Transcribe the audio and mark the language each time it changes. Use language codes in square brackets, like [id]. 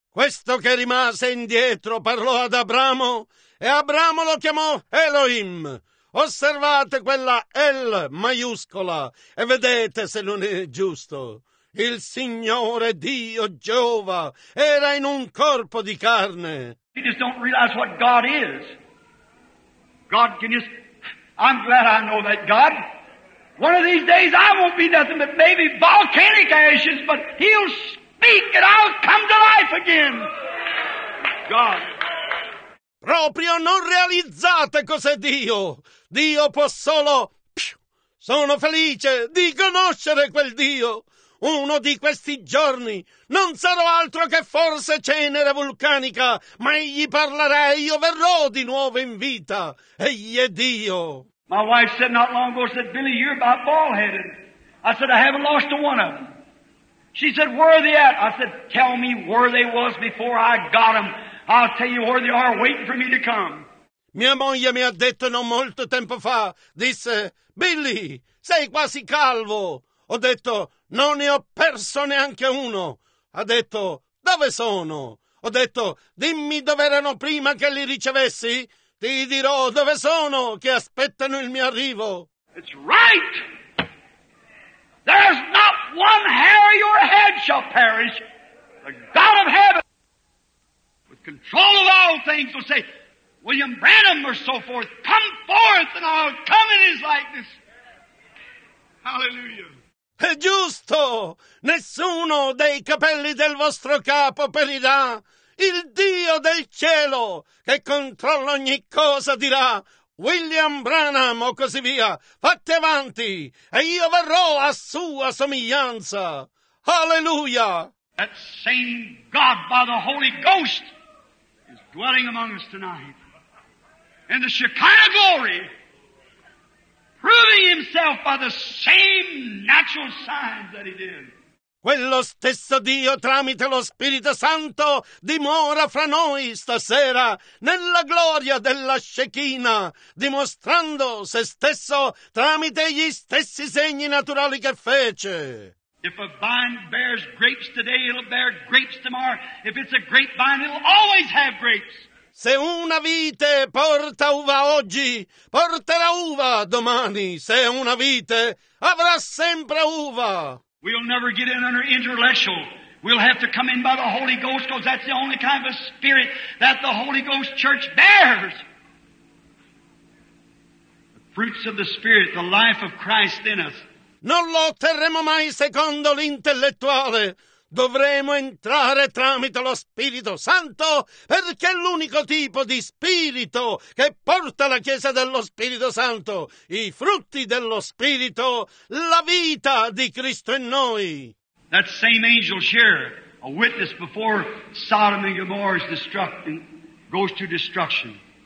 [it] Questo che rimase indietro parlò ad Abramo e Abramo lo chiamò Elohim. Osservate quella L maiuscola e vedete se non è giusto. il Signore Dio Geova era in un corpo di carne. [en] You just don't realize what God is. God can just... I'm glad I know that God. One of these days I won't be nothing but maybe volcanic ashes, but He'll speak and I'll come to life again. God. [it] Proprio non realizzate cos'è Dio. Dio può solo... Sono felice di conoscere quel Dio. Uno di questi giorni non sarò altro che forse cenere vulcanica, ma egli parlerà e io verrò di nuovo in vita. Egli è Dio. [en] My wife said not long ago, said, Billy, you're about bald-headed. I said, I haven't lost one of them. She said, where are they at? I said, tell me where they was before I got them. I'll tell you where they are waiting for me to come. [it] Mia moglie mi ha detto non molto tempo fa, disse, Billy, sei quasi calvo. Ho detto, non ne ho perso neanche uno. Ha detto, dove sono? Ho detto, dimmi dove erano prima che li ricevessi. Ti dirò dove sono, che aspettano il mio arrivo. [en] It's right. There's not one hair of your head shall perish. The God of heaven, with control of all things, will say, William Branham or so forth, come forth and I'll come in his likeness. Hallelujah. [it] È giusto. Nessuno dei capelli del vostro capo perirà. Il Dio del cielo, che controlla ogni cosa, dirà, William Branham o così via, fatti avanti e io verrò a sua somiglianza. Hallelujah. [en] That same God by the Holy Ghost is dwelling among us tonight. In the Shekinah glory, proving himself by the same natural signs that he did. [it] Quello stesso Dio, tramite lo Spirito Santo, dimora fra noi stasera, nella gloria della Shekinah, dimostrando se stesso tramite gli stessi segni naturali che fece. [en] If a vine bears grapes today, it'll bear grapes tomorrow. If it's a grapevine, it'll always have grapes. [it] Se una vite porta uva oggi, porterà uva domani. Se una vite, avrà sempre uva. [en] We'll never get in under intellectual. We'll have to come in by the Holy Ghost, because that's the only kind of spirit that the Holy Ghost Church bears. The fruits of the Spirit, the life of Christ in us. [it] Non lo otterremo mai secondo l'intellettuale. Dovremo entrare tramite lo Spirito Santo, perché è l'unico tipo di Spirito che porta la Chiesa dello Spirito Santo, i frutti dello Spirito, la vita di Cristo in noi. [en] That same angel here, a witness before Sodom and Gomorrah is destructing, goes to destruction.